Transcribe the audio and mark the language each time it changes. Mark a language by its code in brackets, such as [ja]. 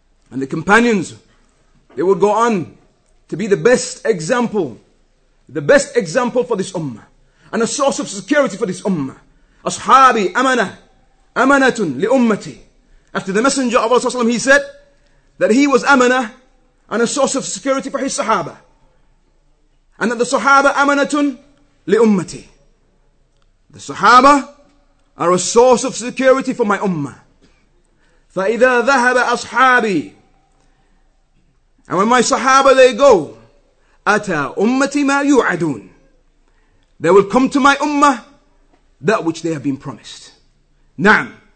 [en] And the companions, they would go on to be the best example. The best example for this ummah. And a source of security for this ummah. [ar] أصحابي أمنة أمنة لأمتي. [en] After the Messenger of Allah he said that he was أمنة and a source of security for his Sahaba. And that the Sahaba [ar] أمنة لأمتي. [en] The Sahaba are a source of security for my Ummah. [ar] فإذا ذهب أصحابي. [en] And when my Sahaba they go, [ar] أتى أمتي ما يوعدون. [en] They will come to my Ummah that which they have been promised. Na'am.